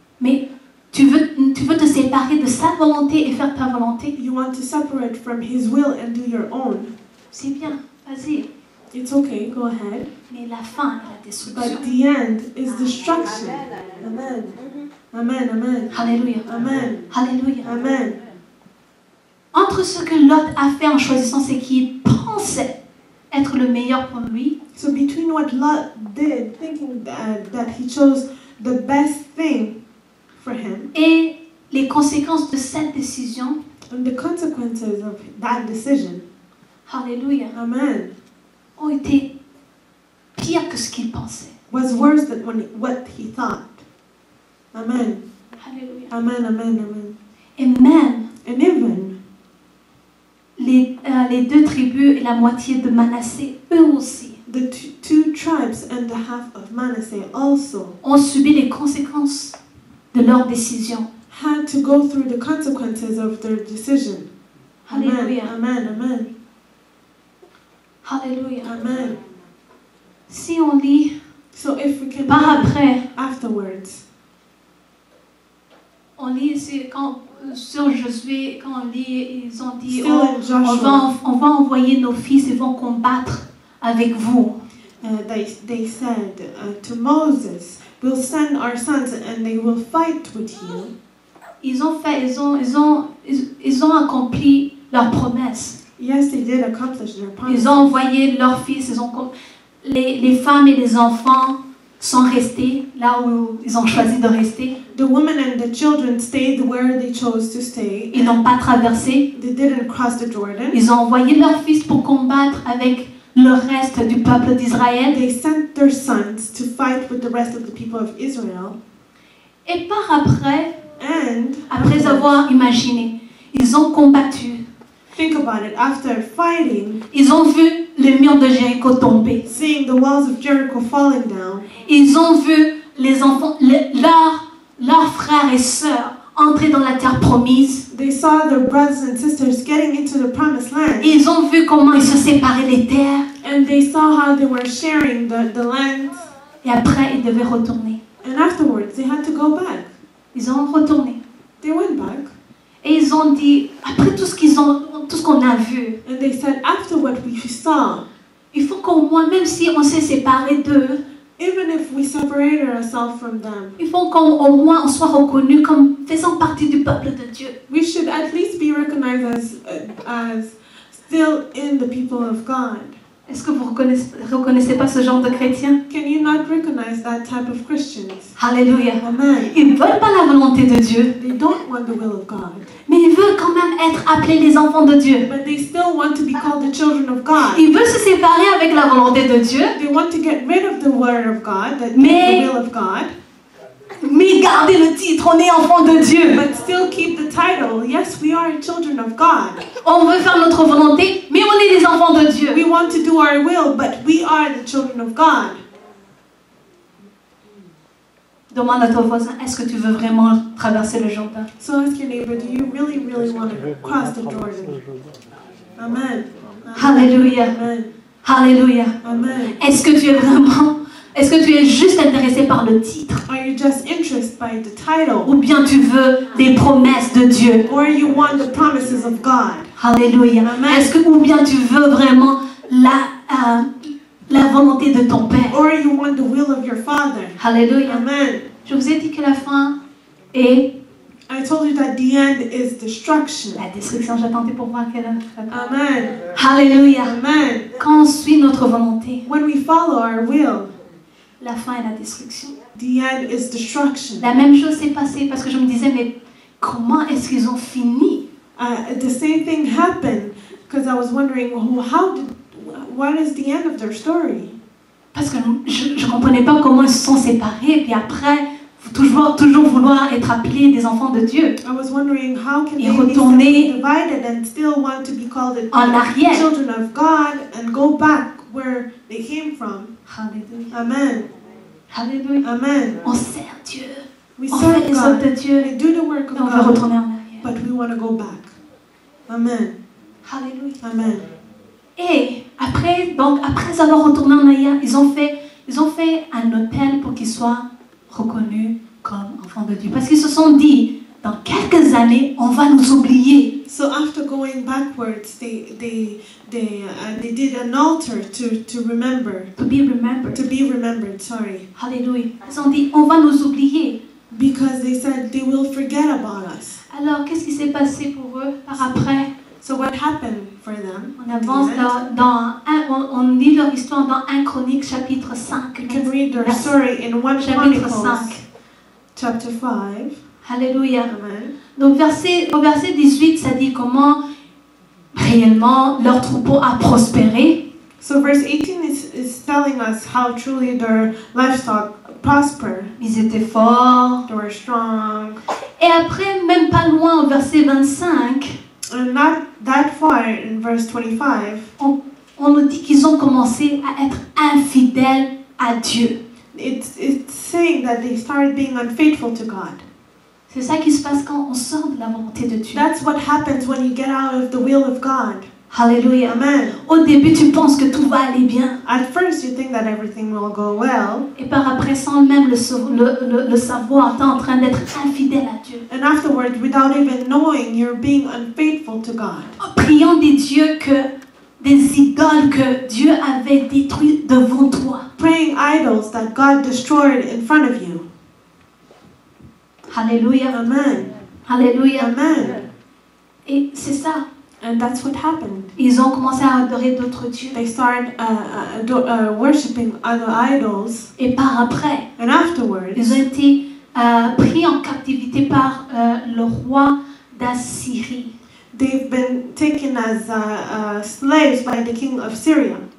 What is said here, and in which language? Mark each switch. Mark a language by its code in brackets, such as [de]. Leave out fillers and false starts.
[fr] Mais tu veux te séparer de sa volonté et faire ta volonté. [en] You want to separate from His will and do your own. [fr] C'est bien. Vas-y. [en] It's okay, go ahead. [fr] Mais la fin est la destruction. [en] But the end is destruction. Amen. Amen. Amen. Hallelujah. Amen. Hallelujah. Amen. [fr] Entre ce que Lot a fait en choisissant ce qu'il pensait être le meilleur pour lui. [en] So between what Lot did, thinking that he chose the best thing for him. [fr] Et les conséquences de cette décision. [en] And the consequences of that decision. Hallelujah. Amen. [fr] Ont été pire que ce qu'il pensait. [en] Was worse than what he thought. Amen. Hallelujah. Amen, amen, amen. [fr] Et même. [en] And even. [fr] Les deux tribus et la moitié de Manassé, eux aussi. [en] The two tribes and the half of Manassé also. [fr] Ont subi les conséquences de leur décision. [en] Had to go through the consequences of their decision. Hallelujah. Amen, amen, amen. Hallelujah. Amen. [fr] Si on lit, [en] so if we can [fr] par après, [en] afterwards, [fr] on lit sur Josué, quand on lit, ils ont dit, oh, on va envoyer nos fils et vont combattre avec vous. [en] they said to Moses, "We'll send our sons, and they will fight with you." [fr] Ils ont accompli leur promesse. [en] Yes, they did accomplish their promise. [fr] Ils ont envoyé leurs fils. Ils ont les femmes et les enfants sont restés là où ils ont choisi de rester. [en] The women and the children stayed where they chose to stay. [fr] Ils n'ont pas traversé. [en] They didn't cross the Jordan. [fr] Ils ont envoyé leurs fils pour combattre avec le reste du peuple d'Israël. [en] They sent their sons to fight with the rest of the people of Israel. [fr] Et par après, [en] and [fr] après avoir imaginé, ils ont combattu. [en] Think about it. After fighting, [fr] ils ont vu les murs de Jéricho tomber. [en] Seeing the walls of Jericho falling down, [fr] ils ont vu les enfants, leurs frères et sœurs entrer dans la terre promise. [en] They saw their brothers and sisters getting into the promised land. [fr] Ils ont vu comment ils se séparaient les terres. [en] And they saw how they were sharing the land. [fr] Et après, ils devaient retourner. [en] And afterwards, they had to go back. [fr] Ils ont retourné. [en] They went back. [fr] Et ils ont dit, après tout ce qu'on a vu, [en] and they said, after what we saw, [fr] il faut qu'au moins, même si on s'est séparé d'eux, [en] even if we separated ourselves from them, [fr] il faut qu'au moins on soit reconnu comme faisant partie du peuple de Dieu. [en] We should at least be recognized as still in the people of God. [fr] Est-ce que vous reconnaissez pas ce genre de chrétien? [en] Can you not recognize that type of Christians? Hallelujah. Amen. [fr] Ils ne veulent pas la volonté de Dieu. [en] They don't want the will of God. [fr] Mais ils veulent quand même être appelés les enfants de Dieu. [en] But they still want to be called the children of God. [fr] Ils veulent se séparer avec la volonté de Dieu. [en] They want to get rid of the word of God, the will of God. [fr] Mais garder le titre, on est enfant de Dieu. [en] But still keep the title. Yes, we are children of God. [fr] On veut faire notre volonté, mais on est les enfants de Dieu. [en] We want to do our will, but we are the children of God. [fr] Demande à ton voisin, est-ce que tu veux vraiment traverser le Jourdain? [en] So ask your neighbor, do you really, really want to cross the Jordan? Amen. Hallelujah. Amen. Hallelujah. Amen. [fr] Est-ce que tu es vraiment... Est-ce que tu es juste intéressé par le titre? [en] Are you just interested by the title? [fr] Ou bien tu veux les promesses de Dieu? [en] Or you want the promises of God? Hallelujah. Amen. [fr] Est-ce que ou bien tu veux vraiment la volonté de ton père? [en] Or you want the will of your father? Hallelujah. Amen. [fr] Je vous ai dit que la fin est. [en] I told you that the end is destruction. [fr] La destruction, j'attendais pour voir quelle est. Amen. Hallelujah. Amen. Quand on suit notre volonté. [en] When we follow our will. [fr] La fin est la destruction. [en] The end is destruction. [fr] La même chose s'est passée parce que je me disais, mais comment est-ce qu'ils ont fini? [en] The same thing happened because I was wondering, what is the end of their story? [fr] Parce que je ne comprenais pas comment ils se sont séparés et puis après, toujours vouloir être appelé des enfants de Dieu. [en] I was wondering how can they retourner be divided and still want to be called the children of God and go back where they came from. Hallelujah. Amen. Hallelujah. Amen. [fr] On sert Dieu. [en] We serve God. [fr] On fait les œuvres de Dieu. [en] We do the work of God. [fr] On veut retourner en arrière. [en] But we want to go back. Amen. Hallelujah. Amen. [fr] Et après, donc après avoir retourné en arrière, ils ont fait un appel pour qu'ils soient reconnus comme enfants de Dieu. Parce qu'ils se sont dit, dans quelques années, on va nous oublier. [en] So after going backwards, they did an altar to remember. To be remembered. To be remembered, sorry. [fr] Hallelujah. Ils ont dit, on va nous oublier. [en] Because they said they will forget about us. [fr] Alors, qu'est-ce qui s'est passé pour eux par après? [en] So what happened for them? [fr] On avance on lit leur histoire dans 1 Chronique chapitre 5. [en] You can read their story in 1 Chronicles chapter 5. [fr] Alléluia. Amen. Donc au verset 18, ça dit comment réellement leur troupeau a prospéré. [en] So verse 18 is telling us how truly their livestock prospered. [fr] Ils étaient forts. [en] They were strong. [fr] Et après, même pas loin, au verset 25. [en] And not that far in verse 25. [fr] On nous dit qu'ils ont commencé à être infidèles à Dieu. [en] It's saying that they started being unfaithful to God. [fr] C'est ça qui se passe quand on sort de la volonté de Dieu. [en] That's what happens when you get out of the will of God. Hallelujah. Amen. [fr] Au début, tu penses que tout va aller bien. [en] At first, you think that everything will go well. [fr] Et par après, sans même le savoir, tu es en train d'être infidèle à Dieu. [en] And afterwards, without even knowing, you're being unfaithful to God. [fr] En priant des dieux que des idoles que Dieu avait détruites devant toi. [en] Praying idols that God destroyed in front of you. Hallelujah. Amen. Hallelujah. Amen. [fr] Et c'est ça. [en] And that's what happened. [fr] Ils ont commencé à adorer d'autres dieux. [en] They started worshiping other idols. [fr] Et par après. [en] And afterwards. [fr] Ils ont été pris en captivité par le roi d'Assyrie. [en] They've been taken as slaves by the king of Syria.